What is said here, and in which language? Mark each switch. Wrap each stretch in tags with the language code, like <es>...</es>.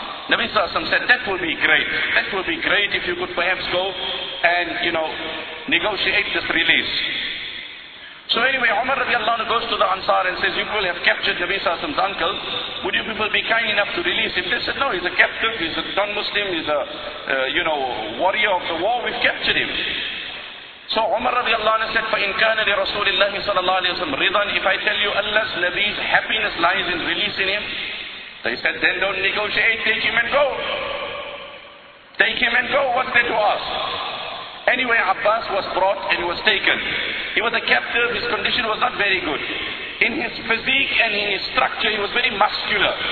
<en>Nabi sallallahu alayhi wa sallam said, that will be great if you could perhaps go and, you know, negotiate this release. So anyway, Umar radiallahu anhu goes to the Ansar and says, you people have captured Nabi sallallahu alayhi wa sallam's uncle. Would you people be kind enough to release him? They said, no, he's a captive, he's a non-Muslim, he's a, you know, warrior of the war, we've captured him. So Umar radiallahu anhu said,</en> <ar>فَإِنْ كَانَ لِرَسُولِ اللَّهِ صَلَى اللَّهِ عَلَيْهِ وَسَلَّمَ رِضًا.</ar> <en>If I tell you Allah's Nabi's happiness lies in releasing him, they said, then don't negotiate, take him and go. Take him and go, what's there to ask? Anyway, Abbas was brought and was taken. He was a captive, his condition was not very good. In his physique and in his structure, he was very muscular.</en>